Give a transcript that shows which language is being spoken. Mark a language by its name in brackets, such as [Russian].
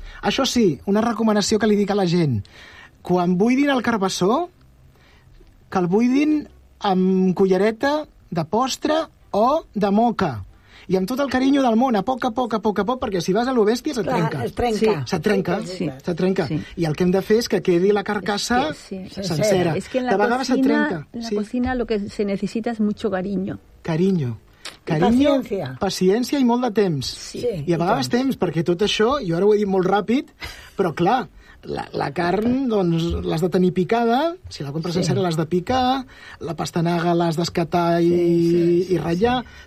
[Catalan] Això sí, una recomanació que li dic a la gent. Quan buidin el carbassó, que el buidin amb cullereta de postre o de moca. I amb tot el carinyo del món, a poc a poc, perquè si vas a lo bèstia se't trenca. Se't trenca. I el que hem de fer és que quedi la carcassa sencera. [Spanish] Es que en la cocina, se trenca. En la cocina lo que se necesita es mucho cariño. [Catalan] Cariño, paciència i molt de temps. Sí, i a vegades temps, perquè tot això, jo ara ho he dit molt ràpid, però clar, la carn, doncs, l'has de tenir picada, si la compres sencera l'has de picar, la pastanaga l'has d'escatar i ratllar.